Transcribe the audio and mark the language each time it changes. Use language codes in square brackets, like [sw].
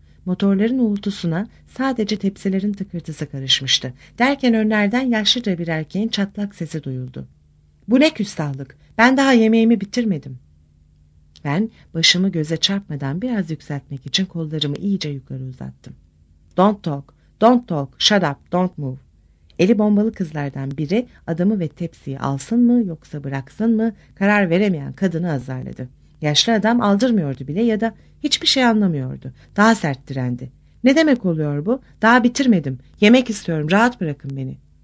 [tr] Motorların uğultusuna sadece tepsilerin tıkırtısı karışmıştı. Derken önlerden yaşlıca bir erkeğin çatlak sesi duyuldu. Bu ne küstahlık? Ben daha yemeğimi bitirmedim. Ben başımı göze çarpmadan biraz yükseltmek için kollarımı iyice yukarı uzattım. [en] Don't talk, don't talk, shut up, don't move. [tr] Eli bombalı kızlardan biri adamı ve tepsiyi alsın mı yoksa bıraksın mı karar veremeyen kadını azarladı. Yaşlı adam aldırmıyordu bile ya da hiçbir şey anlamıyordu. Daha sert direndi. Ne demek oluyor bu? Daha bitirmedim. Yemek istiyorum. Rahat bırakın beni.